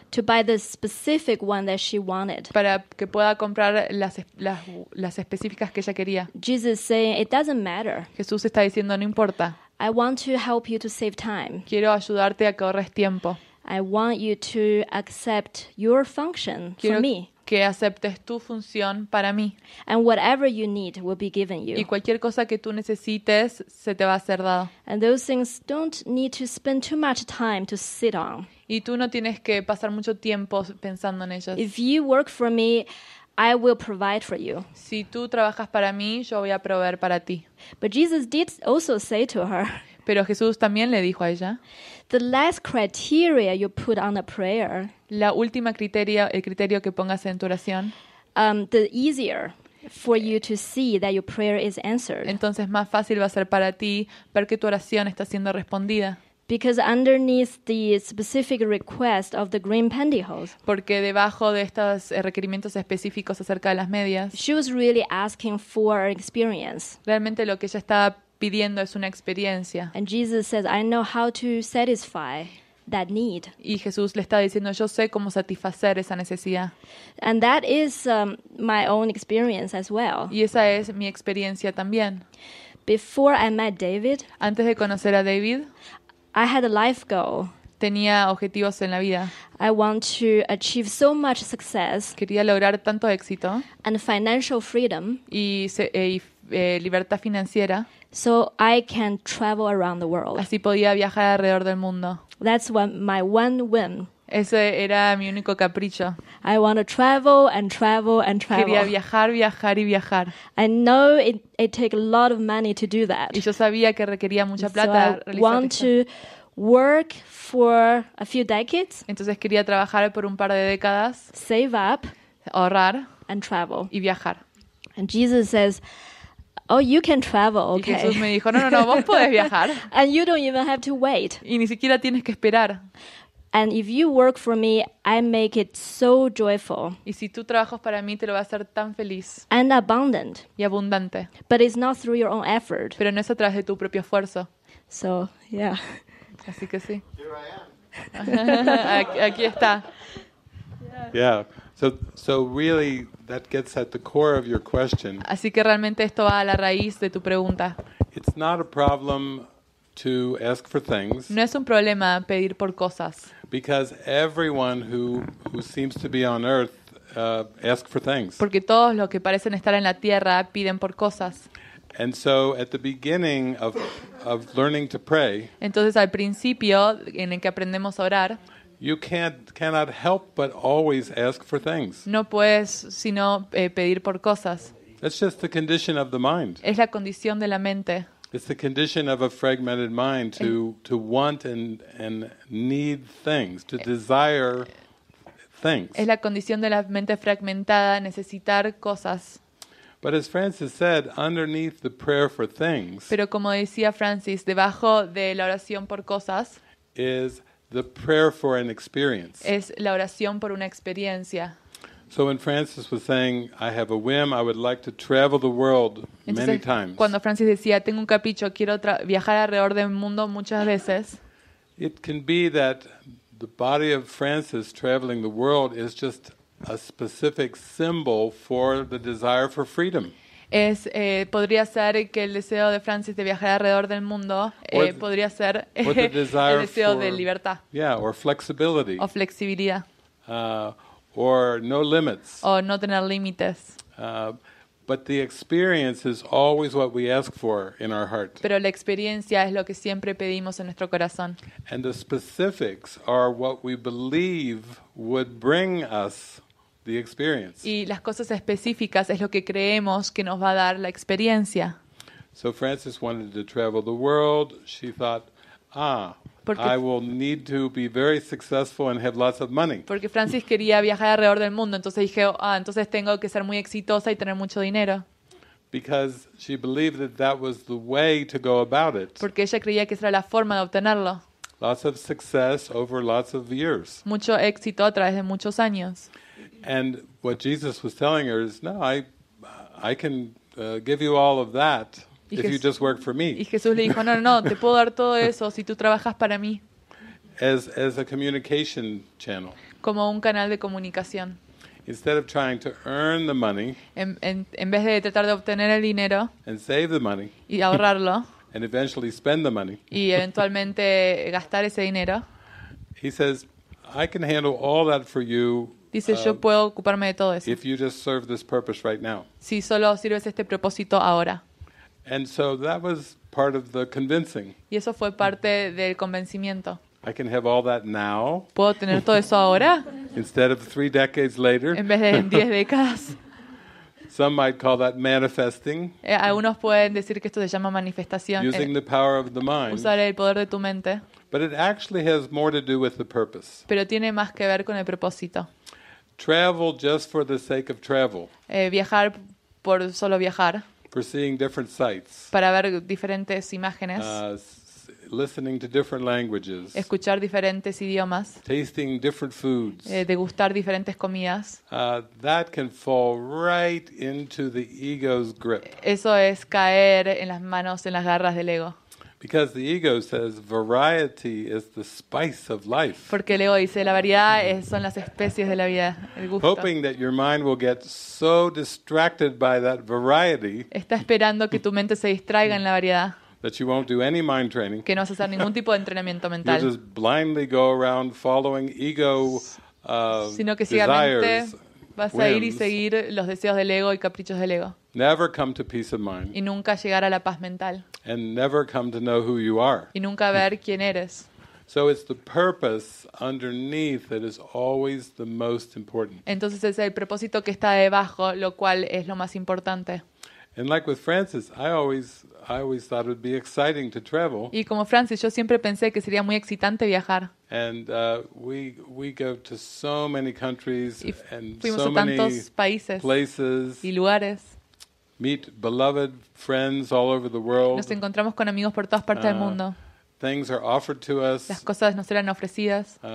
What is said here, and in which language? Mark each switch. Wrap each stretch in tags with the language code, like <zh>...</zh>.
<en>to buy the specific one that she wanted,</en> <es>para que pueda comprar las específicas que ella quería.</es> <en>Jesus saying, it doesn't matter.</en> <es>Jesús está diciendo, no importa.</es> <en>I want to help you to save time.</en> <es>Quiero ayudarte a que ahorres tiempo.</es> <en>I want you to accept your function</en> <es>quiero</es> <en>for me.</en> <es>Que aceptes tu función para mí.</es> <en>And whatever you need will be given you.</en> <es>Y cualquier cosa que tú necesites se te va a ser dado.</es> <en>And those things don't need to spend too much time to sit on.</en> <es>Y tú no tienes que pasar mucho tiempo pensando en ellas.</es> <en>If you work for me, I will provide for you.</en> <es>Si tú trabajas para mí, yo voy a proveer para ti.</es> <en>But Jesus did also say to her.</en> <es>Pero Jesús también le dijo a ella.</es> <en>The last criteria you put on a prayer.</en> <es>La última criteria, el criterio que pongas en tu oración.</es> <en>The easier for you to see that your prayer is answered.</en> <es>Entonces más fácil va a ser para ti ver que tu oración está siendo respondida.</es> <en>Because underneath the specific request of the green pantyhose.</en> <es>Porque debajo de estos requerimientos específicos acerca de las medias.</es> <en>She was really asking for experience.</en> <es>Realmente lo que ella estaba pidiendo es una experiencia.</es> <en>And Jesus says, I know how to satisfy that need.</en> <es>Y Jesús le está diciendo, yo sé cómo satisfacer esa necesidad.</es> <en>And that is my own experience as well.</en> <es>Y esa es mi experiencia también.</es> <en>Before I met David.</en> <es>Antes de conocer a David.</es> <en>I had a life goal.</en> <es>Tenía objetivos en la vida.</es> <en>I want to achieve so much success.</en> <es>Quería lograr tanto éxito.</es> <en>And financial freedom.</en> <es>Y libertad financiera.</es> <en>So I can travel around the world.</en> <es>Así podía viajar alrededor del mundo.</es> <en>That's what my one whim.</en> <es>Ese era mi único capricho.</es> <en>I want to travel and travel and travel.</en> <es>Quería viajar, viajar y viajar.</es> <en>I know it takes a lot of money to do that.</en> <es>Y yo sabía que requería mucha plata.</es> <en>So I want to work for a few decades.</en> <es>Entonces quería trabajar por un par de décadas.</es> <en>Save up.</en> <es>Ahorrar.</es> <en>And travel.</en> <es>Y viajar.</es> <en>And Jesus says, oh, you can travel, okay.</en> <es>Y Jesús me dijo, no, vos podés viajar.</es> <en>And you don't even have to wait.</en> <es>Y ni siquiera tienes que esperar.</es> <en>And if you work for me, I make it so joyful.</en> <es>Y si tú trabajas para mí, te lo va a hacer tan feliz.</es> <en>And abundant.</en> <es>Y abundante.</es> <en>But it's not through your own effort.</en> <es>Pero no es a través de tu propio esfuerzo.</es> <en>So, yeah.</en> <es>Así que sí.</es> <en>Here I am.</en> <es>Aquí está.</es> <en>Yeah. So really, that gets at the core of your question.</en> <es>Así que realmente esto va a la raíz de tu pregunta.</es> <en>It's not a problem to ask for things.</en> <es>No es un problema pedir por cosas.</es> <en>Because everyone who seems to be on earth ask for things.</en> <es>Porque todos los que parecen estar en la tierra piden por cosas.</es> <en>And so at the beginning of learning to pray.</en> <es>Entonces al principio en el que aprendemos a orar.</es> <en>You cannot help but always ask for things.</en> <es>No puedes sino pedir por cosas.</es> <en>It's just the condition of the mind.</en> <es>Es la condición de la mente.</es> <en>It's the condition of a fragmented mind to want and need things, to desire things.</en> <es>Es la condición de la mente fragmentada, necesitar cosas.</es> <en>But as Francis said, underneath the prayer for things.</en> <es>Pero como decía Francis, debajo de la oración por cosas</es> <en>is the prayer for an experience.</en> <es>Es la oración por una experiencia.</es> <en>So when Francis was saying, I have a whim, I would like to travel the world many times.</en> <es>Cuando Francis decía, tengo un capricho, quiero viajar alrededor del mundo muchas veces.</es> <en>It can be that the body of Francis traveling the world is just a specific symbol for the desire for freedom.</en> <es>Podría ser que el deseo de Francis de viajar alrededor del mundo podría ser el deseo de libertad.</es> <en>Yeah, or flexibility.</en> <es>O flexibilidad.</es> <en>Or no limits.</en> <es>O no tener límites.</es> <en>But the experience is always what we ask for in our heart.</en> <es>Pero la experiencia es lo que siempre pedimos en nuestro corazón.</es> <en>And the specifics are what we believe would bring us the experience.</en> <es>Y las cosas específicas es lo que creemos que nos va a dar la experiencia.</es> <en>So Frances wanted to travel the world. She thought, I will need to be very successful and have lots of money.</en> <es>Porque Frances quería viajar alrededor del mundo, entonces dije, entonces tengo que ser muy exitosa y tener mucho dinero.</es> <en>Because she believed that was the way to go about it.</en> <es>Porque ella creía que esa era la forma de obtenerlo.</es> <en>Lots of success over lots of years.</en> <es>Mucho éxito a través de muchos años.</es> <en>And what Jesus was telling her is, no, I I can give you all of that if you just work for me.</en> <es>Y Jesús le dijo, no, no, te puedo dar todo eso si tú trabajas para mí.</es> <en>As a communication channel.</en> <es>Como un canal de comunicación.</es> <en>Instead of trying to earn the money.</en> <es>En vez de tratar de obtener el dinero.</es> <en>And save the money.</en> <es>Y ahorrarlo.</es> <en>And eventually spend the money.</en> <es>Y eventualmente gastar ese dinero.</es> <en>He says, I can handle all that for you.</en> <es>Dice, yo puedo ocuparme de todo eso.</es> <en>If you just serve this purpose right now.</en> <es>Si solo sirves este propósito ahora.</es> <en>And so that was part of the convincing.</en> <es>Y eso fue parte del convencimiento.</es> <en>I can have all that now.</en> <es>¿Puedo tener todo eso ahora?</es> <en>Instead of 3 decades later.</en> <es>En vez de 10 décadas.</es> <en>Some might call that manifesting.</en> <es>Algunos pueden decir que esto se llama manifestación.</es> <en>Using the power of the mind.</en> <es>Usar el poder de tu mente.</es> <en>But it actually has more to do with the purpose.</en> <es>Pero tiene más que ver con el propósito.</es> <en>Travel just for the sake of travel.</en> <es>Viajar por solo viajar.</es> <en>For seeing different sights.</en> <es>Para ver diferentes imágenes.</es> <en>Listening to different languages.</en> <es>Escuchar diferentes idiomas.</es> <en>Tasting different foods.</en> <es>Degustar diferentes comidas.</es> <en>That can fall right into the ego's grip.</en> <es>Eso es caer en las manos, en las garras del ego.</es> <en>Because the ego says variety is the spice of life.</en> <es>Porque el ego dice la variedad son las especies de la vida, el gusto.</es> <en>Hoping that your mind will get so distracted by that variety.</en> <es>Está esperando que tu mente se distraiga en la variedad.</es> <en>That you won't do any mind training.</en> <es>Que no vas a hacer ningún tipo de entrenamiento mental.</es> <en>You just blindly go around following ego desires.</en> <es>Sino que ciegamente vas a ir y seguir los deseos del ego y caprichos del ego.</es> <en>Never come to peace of mind.</en> <es>Y nunca llegar a la paz mental.</es> <en>And never come to know who you are.</en> <es>Y nunca ver quién eres.</es> <en>So it's the purpose underneath that is always the most important.</en> <es>Entonces es el propósito que está debajo lo cual es lo más importante.</es> <en>And like with Francis, I always thought it would be exciting to travel.</en> <es>Y como Francis, yo siempre pensé que sería muy excitante viajar.</es> <en>And we go to so many countries and so many places</en> <es>y lugares.</es> <en>Meet beloved friends all over the world.</en> <es>Nos encontramos con amigos por todas partes del mundo.</es> <en>Things are offered to us.</en> <es>Las cosas nos eran ofrecidas.</es>